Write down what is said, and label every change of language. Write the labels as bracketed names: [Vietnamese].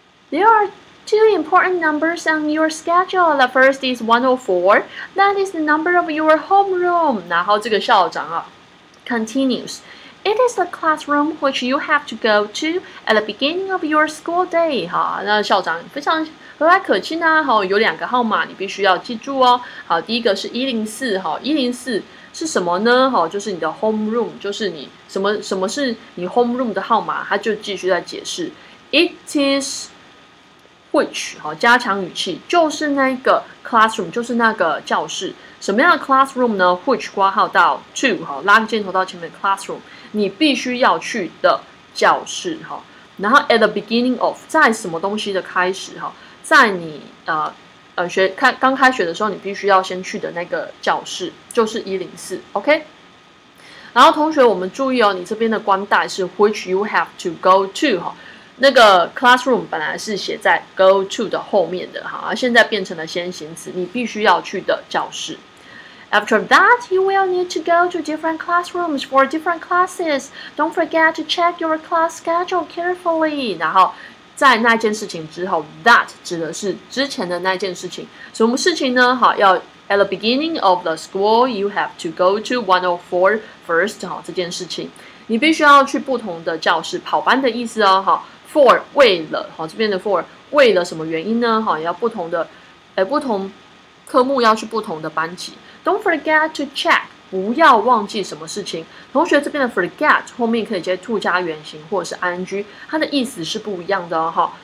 [English] There are two important numbers on your schedule. The first is 104. That is the number of your homeroom. [Chinese] 然后这个校长啊 [English] continues. It is the classroom which you have to go to at the beginning of your school day. [Chinese] 好，那校长非常和蔼可亲啊。好，有两个号码你必须要记住哦。好，第一个是104。好，104是什么呢？好，就是你的 homeroom， 就是你什么是你 homeroom 的号码？他就继续在解释。 [English] It is which [Chinese] 好，加强语气，就是那个 classroom， 就是那个教室。什么样的 classroom 呢 ？Which 括号到 to 哈，拉个箭头到前面 classroom， 你必须要去的教室哈。然后 [English] at the beginning of [Chinese] 在什么东西的开始哈，在你学开刚开学的时候，你必须要先去的那个教室就是104 ，OK。然后同学，我们注意哦，你这边的关带是 [English] which you have to go to [Chinese] 哈。那个 classroom 本来是写在 go to 的后面的哈，现在变成了先行词，你必须要去的教室。 [English] After that, you will need to go to different classrooms for different classes. Don't forget to check your class schedule carefully. [Chinese] 然后在那件事情之后 ，that 指的是之前的那件事情。什么事情呢？ [English] 哈，要 at the beginning of the school, you have to go to 104 first. [Chinese] 哈，这件事情，你必须要去不同的教室跑班的意思哦。哈。 For 为了好，这边的 for 为了什么原因呢？好，要不同的，不同科目要去不同的班级。 [English] Don't forget to check， [Chinese] 不要忘记什么事情。同学，这边的 forget 后面可以接 to 加原形或者是 ing， 它的意思是不一样的哈。